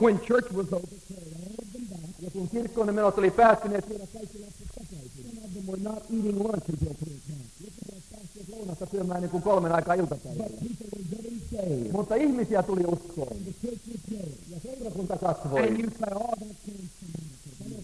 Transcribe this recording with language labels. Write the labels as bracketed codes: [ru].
[en] When church was over, carry all of them back. [fi] Ja kun kirkkoon ne menot oli päättyneet, viedä kaikki lapset takaisin. [en] Some of them were not eating lunch until 3 o'clock. [fi] Jotkut olivat päässeet lounasta syömään niin kuin 3 aikaa iltapäivällä. [en] But people were getting saved. [fi] Mutta ihmisiä tuli uskoon. [en] And the church was there. [fi] Ja seurakunta kasvoi. [en] And you say, oh, that came to me.